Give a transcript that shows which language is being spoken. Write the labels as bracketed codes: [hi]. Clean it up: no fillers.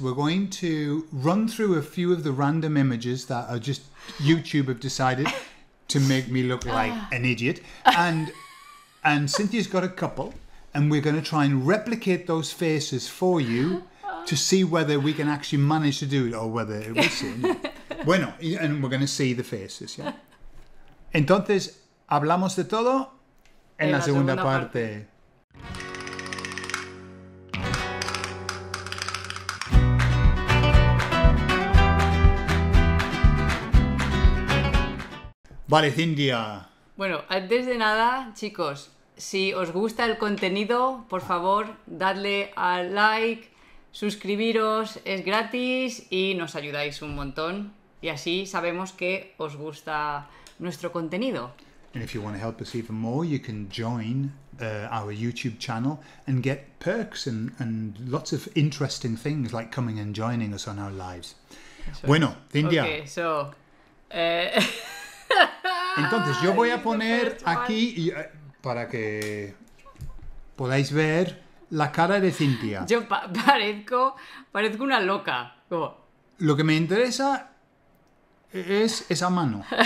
[en] We're going to run through a few of the random images that are just YouTube have decided to make me look like an idiot. And Cynthia's got a couple. And we're going to try and replicate those faces for you to see whether we can actually manage to do it or whether it will soon. Bueno, and we're going to see the faces, yeah? [es] Entonces, hablamos de todo en la segunda parte. Vale, Cynthia. Bueno, antes de nada, chicos, si os gusta el contenido, por favor, dadle al like, suscribiros, es gratis y nos ayudáis un montón. Y así sabemos que os gusta nuestro contenido. [en] And if you want to help us even more, you can join our YouTube channel and get perks and lots of interesting things like coming and joining us on our lives. [es] Eso bueno, Cynthia. [en] Okay, so... [es] Entonces, yo voy a poner aquí y, para que podáis ver la cara de Cynthia. Yo parezco una loca. Como... Lo que me interesa es esa mano.